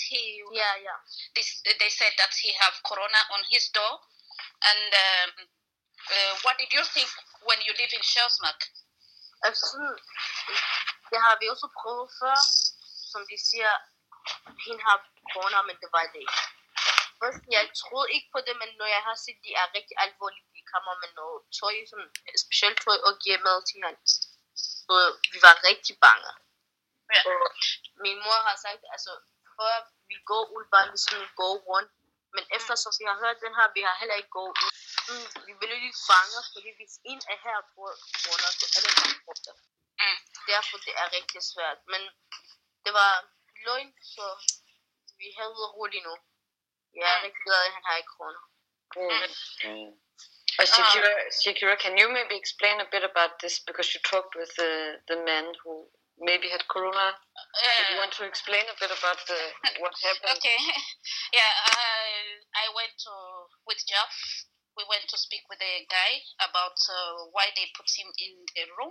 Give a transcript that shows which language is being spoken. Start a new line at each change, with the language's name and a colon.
English: He, they said that he have corona on his door. And what did you think when you live in Sjælsmark?
Danish: Det har vi også prøvet før, som de siger, hun har corona, men det var det. Først, jeg tror ikke på det, men når jeg har set, de er rigtig alvorlige. De kommer med noget tøj, som specielt tøj og giver mad til hende. Så vi var rigtig bange.
English: Yeah.
Danish: Og min mor har sagt, altså, før vi går ud, bare ligesom
English: go one.
Danish: Men efter som vi har hørt den her, vi har heller ikke gået ud. Vi blev lidt fange, fordi hvis en er her på corona, så er det bare brugt det. Derfor det er rigtig svært. Men det var løgn, så vi hælder roligt nu. Jeg er rigtig glad, at han har ikke corona.
English: Sikira, can you maybe explain a bit about this? Because you talked with the man who maybe had corona. Do you want to explain a bit about what happened? Okay. Yeah, I went to, with Jeff, we went to speak with a guy about why they put him in the room.